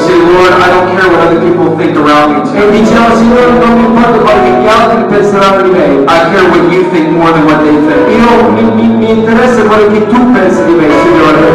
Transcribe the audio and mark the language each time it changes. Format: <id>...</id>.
<en>say, Lord, I don't care what other people think around me.</en> <it>E diciamo, Signore, non mi importa quello che gli altri penseranno di me.</it> <en>I care what you think more than what they think.</en> <it>Io mi interessa quello che tu pensi di me, Signore.</it>